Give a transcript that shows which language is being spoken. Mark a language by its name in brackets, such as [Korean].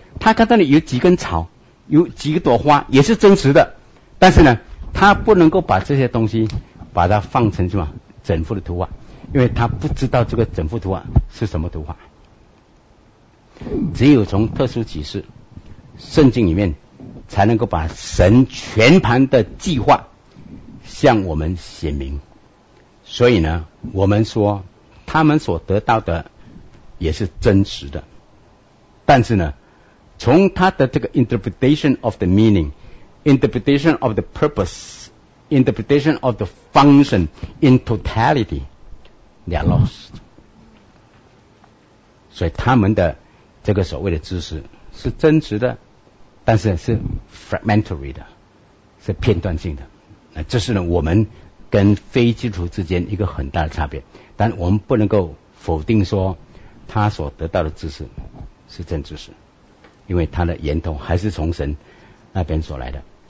[Chinese] 他看到你有几根草，有几朵花也是真实的，但是呢，他不能够把这些东西把它放成什么整幅的图画，因为他不知道这个整幅图画是什么图画。只有从特殊启示圣经里面才能够把神全盘的计划向我们显明。所以呢，我们说他们所得到的也是真实的，但是呢，从他的这个 [English] interpretation of the meaning， interpretation of the purpose， interpretation of the function in totality， they are lost。 [Chinese] 所以他们的这个所谓的知识是真实的，但是是 fragmentary 的，是片段性的。那这是呢我们跟非基督徒之间一个很大的差别，但我们不能够否定说他所得到的知识是真知识，因为他的源头还是从神那边所来的。